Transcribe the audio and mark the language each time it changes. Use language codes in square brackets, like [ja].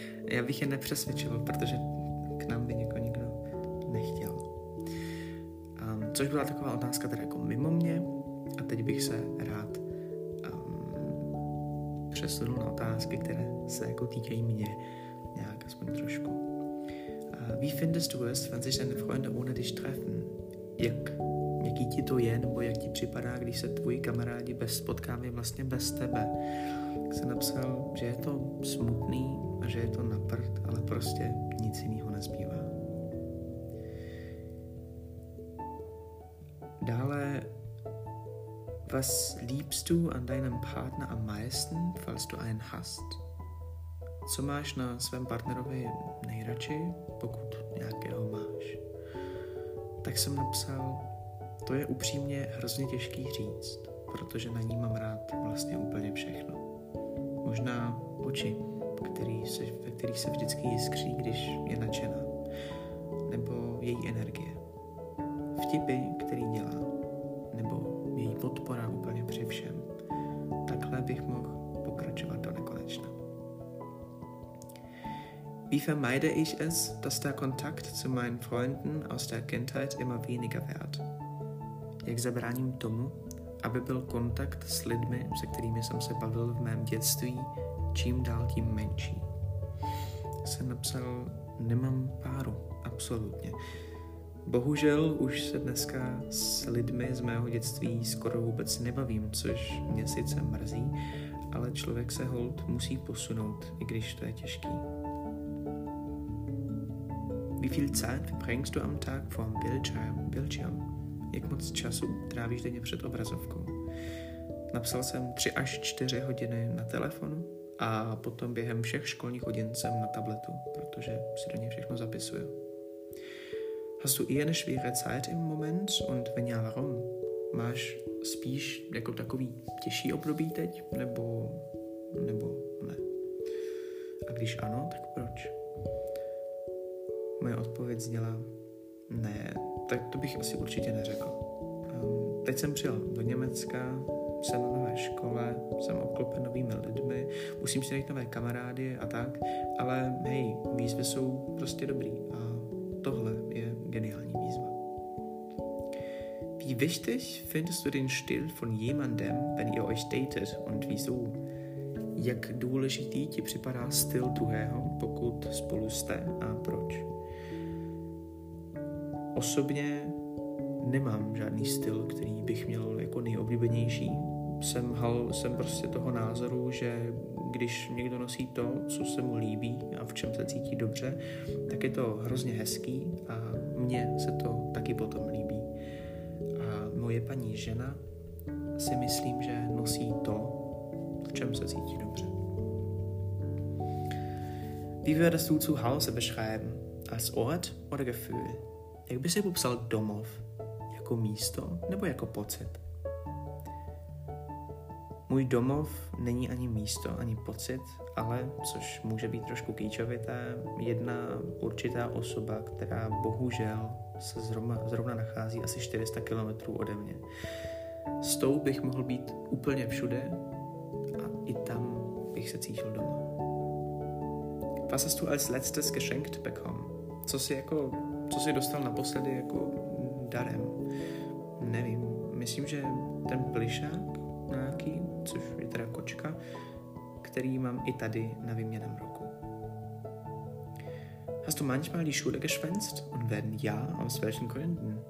[cs] já bych je nepřesvědčil, protože k nám by někoho nikdo nechtěl. Což byla taková otázka teda jako mimo mě. A teď bych se rád přesunul na otázky, které se jako týkají mě nějak aspoň trošku. [de] Wie findest du es, wenn sich deine Freunde ohne dich treffen? [cs] Jaký ti to je, nebo jak ti připadá, když se tvoji kamarádi bez potkávy vlastně bez tebe? Tak jsem napsal, že je to smutný a že je to na prd, ale prostě nic jiného nezbývá. Dále, [de] was liebst du an deinem Partner am meisten, falls du einen hast? [cs] Co máš na svém partnerovi nejradši, pokud nějakého máš? Tak jsem napsal, to je upřímně hrozně těžký říct, protože na ní mám rád vlastně úplně všechno. Možná oči, ve kterých se vždycky jiskří, když je nadšená. Nebo její energie. Vtipy, který dělá. Nebo její podpora úplně při všem. Takhle bych mohl pokračovat do nekonečna. [de] Wie vermeide ich es, dass der Kontakt zu meinen Freunden aus der Kindheit immer weniger wird? [cs] Jak zabráním tomu, aby byl kontakt s lidmi, se kterými jsem se bavil v mém dětství, čím dál tím menší? Jsem napsal, nemám páru, absolutně. Bohužel už se dneska s lidmi z mého dětství skoro vůbec nebavím, což mě sice mrzí, ale člověk se holt musí posunout, i když to je těžký. [de] Wie viel Zeit verbringst du am Tag vor dem Bildschirm? [cs] Jak moc času trávíš denně před obrazovkou? Napsal jsem 3 až 4 hodiny na telefonu a potom během všech školních hodin jsem na tabletu, protože si do něj všechno zapisuju. [de] Hast du eher eine schwere Zeit im Moment und wenn ja warum? [cs] Máš spíš jako takový těžší období teď, nebo ne? A když ano, tak proč? Moje odpověď zněla, ne, tak to bych asi určitě neřekl. Teď jsem přijel do Německa, jsem na nové škole, jsem obklopen novými lidmi, musím si najít nové kamarády a tak, ale hej, výzvy jsou prostě dobrý a tohle je geniální výzva. [de] Wie wichtig findest du den Stil von jemandem, wenn ihr euch datet und wieso? [cs] Jak důležitý ti připadá styl druhého, pokud spolu jste a proč? Osobně nemám žádný styl, který bych měl jako nejoblíbenější. Jsem prostě toho názoru, že když někdo nosí to, co se mu líbí a v čem se cítí dobře, tak je to hrozně hezký a mně se to taky potom líbí. A moje paní žena si myslím, že nosí to, v čem se cítí dobře. [de] Wie würdest du zu Hause beschreiben? Als Ort oder Gefühl? [cs] Jak by si popsal domov? Jako místo nebo jako pocit? Můj domov není ani místo, ani pocit, ale, což může být trošku kýčovité, jedna určitá osoba, která bohužel se zrovna nachází asi 400 kilometrů ode mě. S tou bych mohl být úplně všude a i tam bych se cítil doma. [de] Was hast du als letztes geschenkt bekommen? [cs] Co jsi dostal naposledy jako darem? Nevím, myslím, že ten plyšák nějaký, což je teda kočka, který mám i tady na výměném roku. [de] Hast du manchmal die Schule geschwänzt? Und wenn ja, aus welchen Gründen?